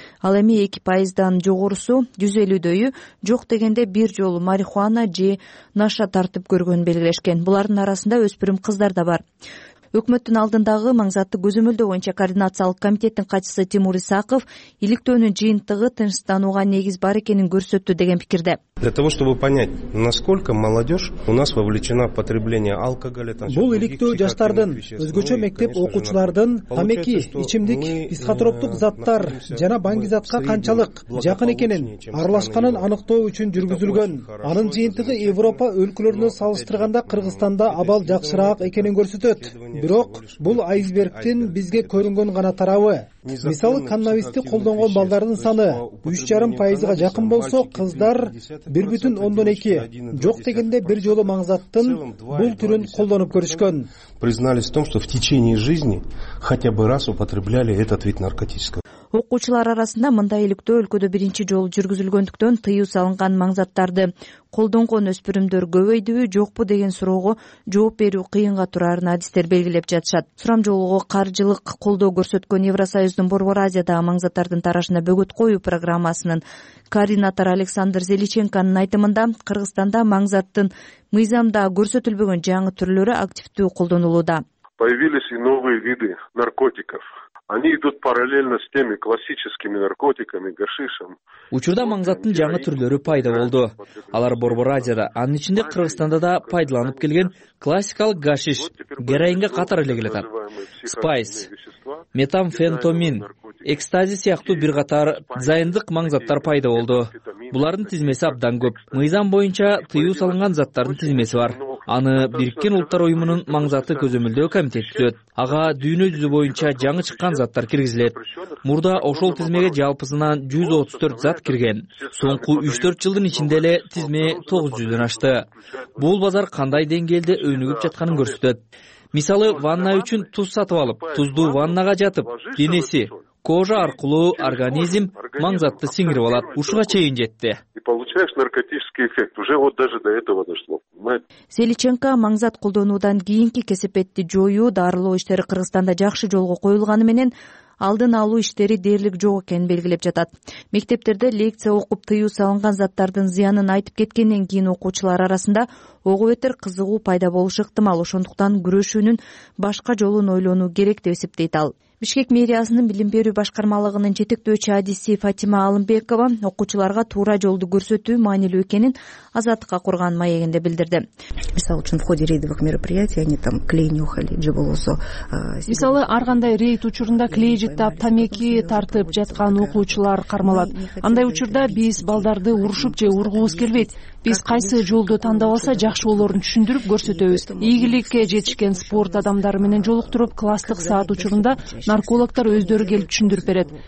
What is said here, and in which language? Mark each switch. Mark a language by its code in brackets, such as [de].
[ky] Ал эми 2%дан жогорусу 150-дөйү жок дегенде бир жолу марихуана же наша тартып көргөнүн белгилешкен. Булардын арасында өспүрүм кыздар да бар. Өкмөттүн алдындагы маңзатты көзөмөлдөө боюнча координациялык комитеттин катчысы Тимур Исаков иликтөөнүн жыйынтыгы тынчтанууга негиз бар экенин көрсөттү деген пикирде. [ru] Для того, чтобы понять, насколько молодежь у нас вовлечена в потребление алкоголя. [ky] Бул иликтөө жаштардын, өзгөчө мектеп окуучулардын тамеки, ичимдик, психотроптук заттар жана бангизатка канчалык жакын экенин, аралашканын аныктоо үчүн жүргүзүлгөн. Анын жыйынтыгы Европа өлкөлөрүнө салыштырганда Кыргызстанда абал жакшыраак экенин көрсөтөт. Бирок бул айсбергдин бизге көрүнгөн гана тарабы. Мисалы, каннабисти колдонгон балдардын саны 3,5%га жакын болсо, кыздар 1,2%, жок дегенде бир жолу маңзаттын бул түрүн колдонуп көрүшкөн. [ru] Признались в том, что в течение жизни хотя бы раз употребляли этот вид наркотического. [ky] Окуучулар арасында мындай иликтөө өлкөдө биринчи жолу жүргүзүлгөндүктөн тыюу салынган маңзаттарды колдонгон өспүрүмдөр көбөйдүбү, жокпу деген суроого жооп берүү кыйынга турарын адистер белгилеп жатышат. Сурамжылоого каржылык колдоо көрсөткөн Евросоюздун Борбор Азиядагы маңзаттардын тарашына бөгөт коюу программасынын координатору Александр Зеличенконун айтымында, Кыргызстанда маңзаттын мыйзамда көрсөтүлбөгөн жаңы түрлөрү активдүү колдонулууда. [ru] Появились и новые виды наркотиков. Они идут параллельно с теми классическими наркотиками, гашишем. [ky] Учурда маңзаттын жаңы түрлөрү пайда болду. Алар Борбор Азияда, анын ичинде Кыргызстанда да пайдаланып келген классикалык гашиш, героинге катар эле келет. Спайс, метамфентамин, экстази сыяктуу бир катар зайындык маңзаттар пайда болду. Булардын тизмеси абдан көп. Мыйзам боюнча тыюу салынган заттардын тизмеси бар. Аны Бириккен Улуттар Уюмунун маңзатты көзөмөлдөө комитети түзөт. Ага дүйнө жүзү боюнча жаңы чыккан заттар киргизилет. Мурда ошол тизмеге жалпысынан 134 зат кирген. Соңку 3-4 жылдын ичинде эле тизме 900'дөн ашты. Бул базар кандай деңгээлде өнүгүп жатканын көрсөтөт. Мисалы, ванна үчүн туз сатып алып, тузду ваннага жатып, денеси, кожа аркылуу организм маңзатты сиңирип алат. Ушуга чейин жетти. [ru] Получаешь наркотический эффект. Уже вот даже до этого дошло. [ky] Зеличенко маңзат колдонуудан кийинки кесепетти жоюу, дарылоо иштери Кыргызстанда жакшы жолго коюлганы менен алдын алуу иштери дээрлик жок экенин белгилеп жатат. Мектептерде лекция окуп тыюу салынган заттардын зыянын айтып кеткенден кийин окуучулар арасында ого бетер кызыгуу пайда болушу ыктымал. Ошондуктан күрөшүүнүн башка жолун ойлонуу керек деп эсептейт ал. Бишкек мэриясынын билим берүү башкармалыгынын жетектөөчү адиси Фатима Алымбекова окуучуларга туура жолду көрсөтүү маанилүү экенин Азаттыкка курган маегинде билдирди. Мисалы үчүн [ru] в ходе рейдовых мероприятий они там клей нюхали [ky] же болсо. Мисалы ар кандай рейд учурунда клей жыттап, тамеки тартып жаткан окуучулар кармалат. Андай учурда биз балдарды урушуп же ургуубуз келбейт. Биз кайсы жолду тандап алса жакшы. жакшылоорун түшүндүрүп көрсөтөбүз. Ийгиликке жетишкен спорт адамдары менен жолуктуруп, класстык саат учурунда наркологтор өздөрү келип түшүндүрүп берет.